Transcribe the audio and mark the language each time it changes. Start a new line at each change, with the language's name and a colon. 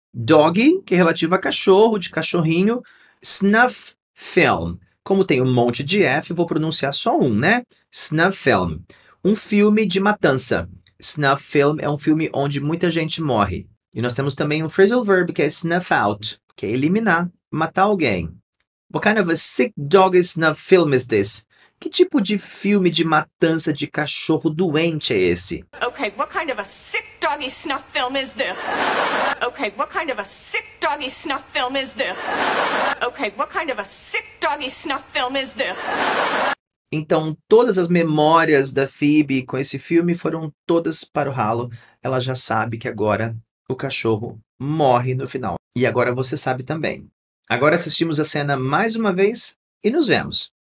Portuguese: Doggy, que é relativo a cachorro, de cachorrinho. Snuff film. Como tem um monte de F, vou pronunciar só um, né? Snuff film. Um filme de matança. Snuff film é um filme onde muita gente morre. E nós temos também um phrasal verb, que é snuff out, que é eliminar. Matar alguém.
English: What kind of a sick dog snuff film is this?
Portuguese: Que tipo de filme de matança de cachorro doente é esse?
English: Okay, what kind of a sick doggy snuff film is this? Okay, what kind of a sick doggy snuff film is this? Okay, what kind of a sick doggy snuff film is this?
Portuguese: Então, todas as memórias da Phoebe com esse filme foram todas para o ralo. Ela já sabe que agora o cachorro morre no final. E agora você sabe também. Agora assistimos a cena mais uma vez e nos vemos.